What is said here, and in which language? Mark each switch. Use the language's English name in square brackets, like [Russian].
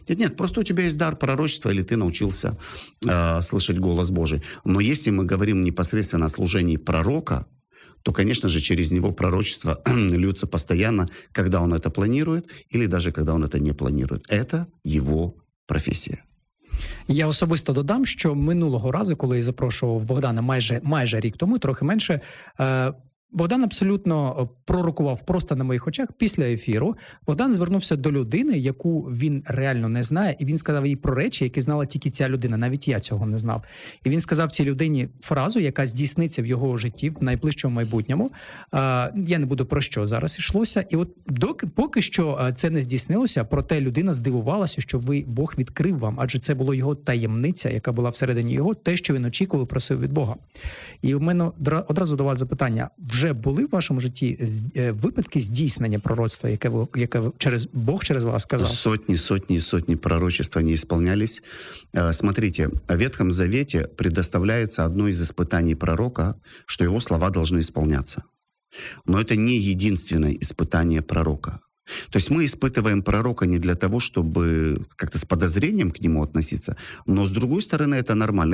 [Russian] Нет, просто у тебя есть дар пророчества, или ты научился слышать голос Божий. Но если мы говорим не непосредственно о служении пророка, то, конечно же, через него пророчества льются постоянно, когда он это планирует или даже когда он это не планирует. Это его профессия. [Ukrainian] Я особисто додам, що минулого разу, коли я запрошував Богдана майже рік тому, трохи менше, Богдан абсолютно пророкував просто на моїх очах. Після ефіру Богдан звернувся до людини, яку він реально не знає, і він сказав їй про речі, які знала тільки ця людина, навіть я цього не знав. І він сказав цій людині фразу, яка здійсниться в його житті в найближчому майбутньому. Я не буду про що зараз йшлося. І от поки що це не здійснилося, проте людина здивувалася, що Бог відкрив вам, адже це була його таємниця, яка була всередині його, те, що він очікував, просив від Бога. І у мене одразу до вас запитання. Вже були в вашому житті випадки здійснення пророцтва, яке через Бог через вас сказав? [Russian] Сотні пророчества не исполнялись. Смотрите, в Ветхом Завете предоставляется одно из испытаний пророка, что его слова должны исполняться. Но это не единственное испытание пророка. То есть мы испытываем пророка не для того, чтобы как-то с подозрением к нему относиться, но с другой стороны это нормально.